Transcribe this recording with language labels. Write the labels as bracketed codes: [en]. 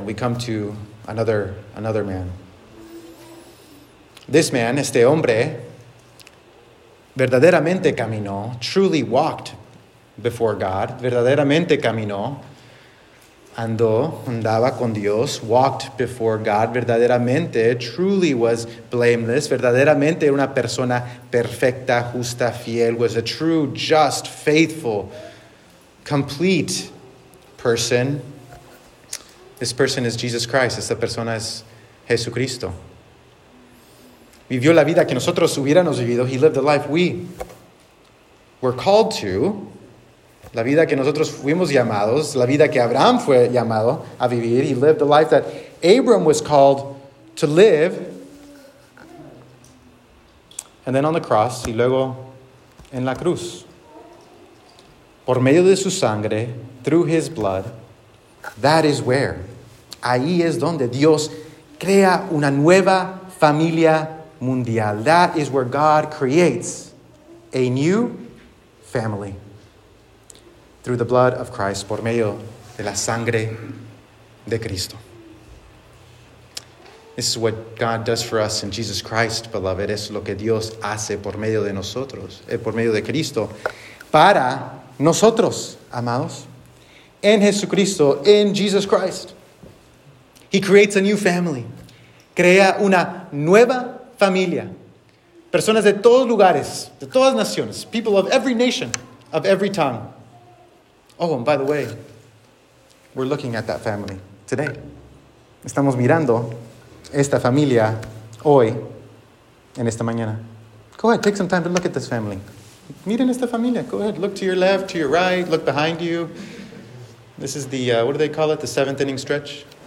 [en] We come to another man. This man, [es] este hombre, [en] verdaderamente caminó, truly walked before God, [es] verdaderamente caminó, andaba con Dios, [en] walked before God, verdaderamente, truly was blameless, [es] verdaderamente una persona perfecta, justa, fiel, [en] was a true, just, faithful, complete person. This person is Jesus Christ, [es] esta persona es Jesucristo. Vivió la vida que nosotros hubiéramos vivido. [en] He lived the life we were called to. [es] La vida que nosotros fuimos llamados. La vida que Abraham fue llamado a vivir. [en] He lived the life that Abram was called to live. And then on the cross, [es] y luego en la cruz. Por medio de su sangre, [en] through his blood, that is where. [es] Ahí es donde Dios crea una nueva familia mundial. [en] That is where God creates a new family through the blood of Christ, [es] por medio de la sangre de Cristo. [en] This is what God does for us in Jesus Christ, beloved. [es] Es lo que Dios hace por medio de nosotros, por medio de Cristo, para nosotros, amados, en Jesucristo, [en] in Jesus Christ. He creates a new family. [es] Crea una nueva familia, personas de todos lugares, de todas naciones, [en] people of every nation, of every tongue. Oh, and by the way, we're looking at that family today. [es] Estamos mirando esta familia hoy, en esta mañana. [en] Go ahead, take some time to look at this family. [es] Miren esta familia. [en] Go ahead, look to your left, to your right, look behind you. This is the, what do they call it, the seventh inning stretch?